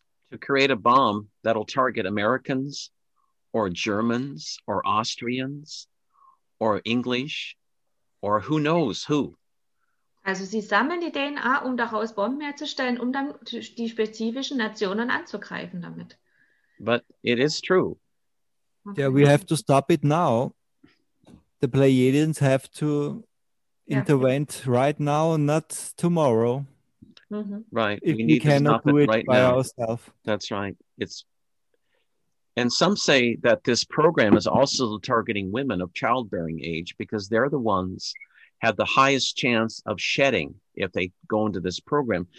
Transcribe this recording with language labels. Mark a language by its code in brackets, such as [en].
[en] To create a bomb that'll target Americans or Germans or Austrians or English or who knows who. [de] Also sie sammeln die DNA, um daraus Bomben herzustellen, um dann die spezifischen Nationen anzugreifen damit. [en] But it is true. Yeah, we have to stop it now. The Pleiadians have to intervene right now, not tomorrow. Mm-hmm. Right. If we cannot do it right by ourselves. That's right. And some say that this program is also targeting women of childbearing age because they're the ones have the highest chance of shedding if they go into this program.